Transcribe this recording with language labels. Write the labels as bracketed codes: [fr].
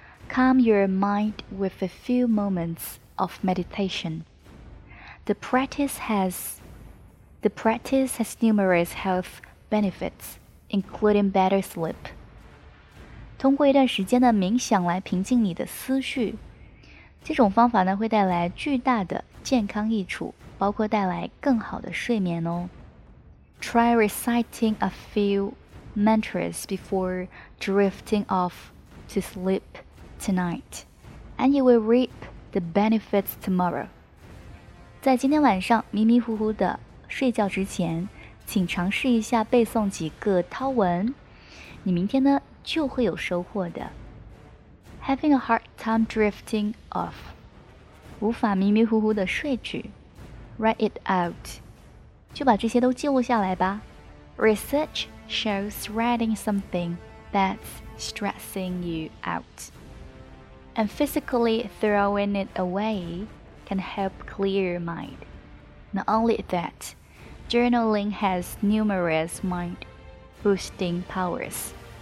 [en] Calm your mind with a few moments of meditation. The practice has numerous health benefits, including better sleep. [zh] 通过一段时间的冥想来平静你的思绪，这种方法呢会带来巨大的健康益处，包括带来更好的睡眠哦。 [en] Try reciting a few mantras before drifting off to sleep tonight, and you will reap the benefits tomorrow. [zh] 在今天晚上迷迷糊糊的睡觉之前，请尝试一下背诵几个韬文，你明天呢就会有收获的。 [en] Having a hard time drifting off. [zh] 无法迷迷糊糊的睡去。 [en] Write it out. [zh] 就把这些都记录下来吧。 [en] Research shows writing something that's stressing you out. And physically throwing it away can help clear your mind. Not only that, journaling has numerous mind-boosting powers.